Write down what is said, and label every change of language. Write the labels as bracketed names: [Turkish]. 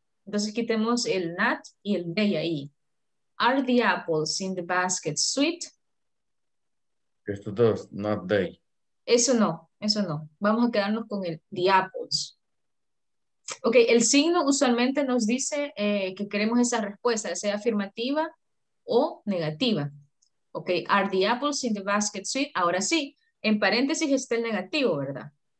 [Spanish] Entonces quitemos el not y el they ahí. [English] ¿Are the apples in the basket sweet? [Spanish] Estos dos, [English] not they. [Spanish] Eso no. Vamos a quedarnos con el [English] the apples. [Spanish] Ok, el signo usualmente nos dice que queremos esa respuesta, sea afirmativa o negativa. [English] Ok, are the apples in the basket sweet? [Spanish] Ahora sí, en paréntesis está el negativo, ¿verdad?